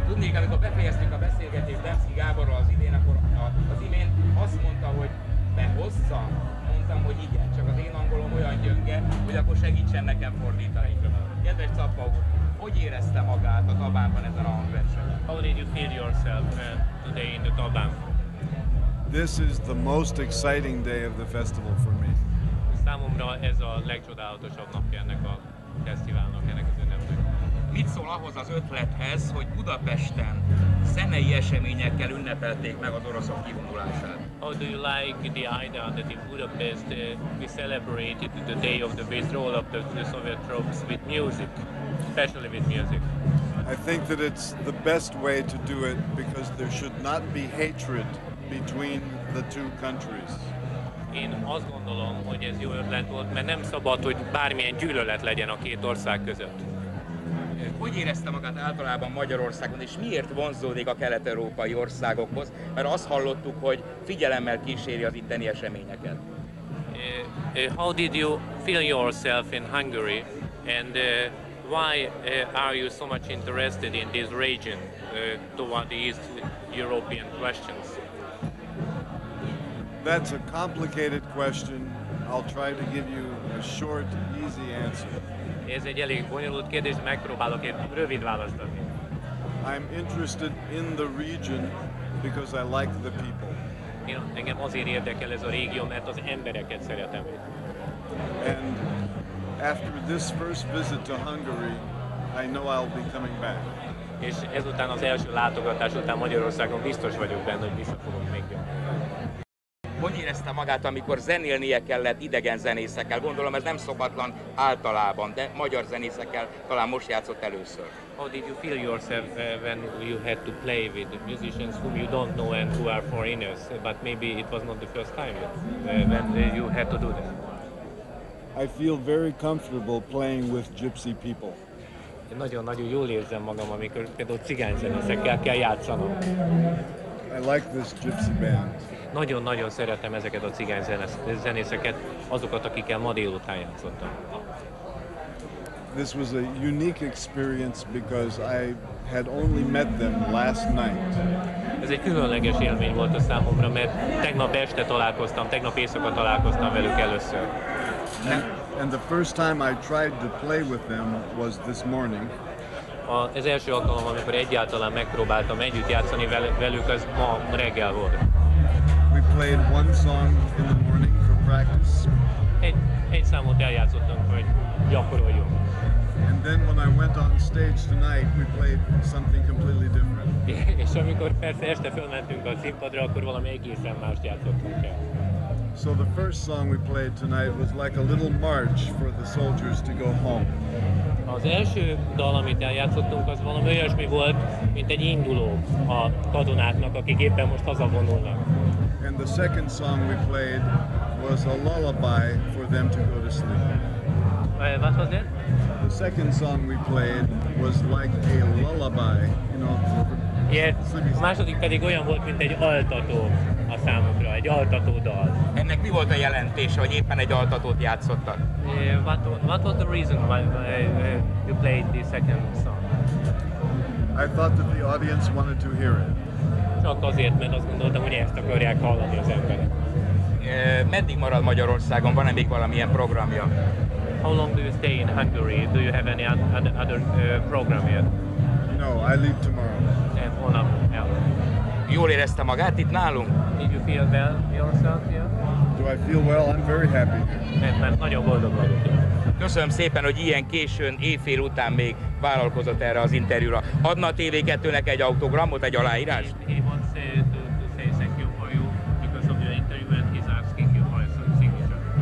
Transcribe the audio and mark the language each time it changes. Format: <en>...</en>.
<hu>Tudnék, amikor befejeztük a beszélgetést Demszky Gáborral az idén, akkor az imént azt mondta, hogy behozza. Mondtam, hogy igen, csak az én angolom olyan gyönge, hogy akkor segítsen nekem fordítani. Kedves Cappa, hogy érezte magát a Tabánban ezen a hangversenyen?</hu> <en>How did you feel yourself today in the Tabán? This is the most exciting day of the festival for me.</en> <hu>Számomra ez a legcsodálatosabb napja ennek a fesztiválnak, ennek az ünnepnek. Mit szól ahhoz az ötlethez, hogy Budapesten zenei eseményekkel ünnepelték meg az oroszok kivonulását?</hu> <en>How do you like the idea that in Budapest we celebrated the day of the withdrawal of the Soviet troops with music, especially with music? I think that it's the best way to do it because there should not be hatred between the two countries.</en> <hu>Én azt gondolom, hogy ez jó ötlet volt, mert nem szabad, hogy bármilyen gyűlölet legyen a két ország között. Hogy érezte magát általában Magyarországon, és miért vonzódik a kelet-európai országokhoz? Mert azt hallottuk, hogy figyelemmel kíséri az itteni eseményeket.</hu> <en>How did you feel yourself in Hungary, and why are you so much interested in this region toward the East European questions? That's a complicated question. I'll try to give you a short, easy answer.</en> <hu>Ez egy elég bonyolult kérdés, megpróbálok egy rövid választ adni.</hu> <en>I'm interested in the region because I like the people.</en> <hu>Engem azért érdekel ez a régió, mert az embereket szeretem.</hu> <en>And after this first visit to Hungary, I know I'll be coming back.</en> <hu>És ezután az első látogatás után Magyarországon biztos vagyok benne, hogy vissza fogok még jönni. Hogy érezte magát, amikor zenélnie kellett idegen zenészekkel? Gondolom, ez nem szokatlan általában, de magyar zenészekkel talán most játszott először.</hu> <en>How did you feel yourself when you had to play with musicians whom you don't know and who are foreigners? But maybe it was not the first time when you had to do that. I feel very comfortable playing with gypsy people.</en> <hu>Én nagyon-nagyon jól érzem magam, amikor például cigány zenészekkel kell játszanom.</hu> <en>I like this gypsy band.</en> <hu>Nagyon-nagyon szeretem ezeket a cigány zenészeket, azokat, akikkel ma délután játszottam.</hu> <en>This was a unique experience because I had only met them last night.</en> <hu>Ez egy különleges élmény volt a számomra, mert tegnap éjszaka találkoztam velük először.</hu> <en>And the first time I tried to play with them was this morning.</en> <hu>Az első alkalom, amikor egyáltalán megpróbáltam együtt játszani velük, az ma reggel volt.</hu> <en>We played one song in the morning for practice.</en> <hu>Egy számot eljátszottunk, hogy gyakoroljunk.</hu> <en>And then when I went on stage tonight, we played something completely different.</en> <hu>És amikor persze este fölmentünk a színpadra, akkor valami egészen mást játszottunk el.</hu> <en>So the first song we played tonight was like a little march for the soldiers to go home.</en> <hu>Az első dal, amit eljátszottunk, az valami olyasmi volt, mint egy induló a katonáknak, akik éppen most hazavonulnak.</hu> <en>And the second song we played was a lullaby for them to go to sleep. What was it? The second song we played was like a lullaby, you know.</en> <hu>A második pedig olyan volt, mint egy altató a számukra, egy altató dal. Ennek mi volt a jelentése, hogy éppen egy altatót játszottak?</hu> <en>What was the reason why you played the second song? I thought that the audience wanted to hear it.</en> <hu>Csak azért, mert azt gondoltam, hogy ezt akarják hallani az emberek. Meddig marad Magyarországon? Van-e még valamilyen programja?</hu> <en>How long do you stay in Hungary? Do you have any other program yet? No, I leave tomorrow.</en> <hu>And holnap el. Jól érezte magát itt nálunk?</hu> <en>Did you feel well yourself here? Do I feel well? I'm very happy.</en> <hu>Mert nagyon boldog vagyok. Köszönöm szépen, hogy ilyen későn, éjfél után még vállalkozott erre az interjúra. Adna a TV2-nek egy autogramot, egy aláírást?</hu> <en>He wants to say thank you for you because of your interview and he's asking you for some signature.</en>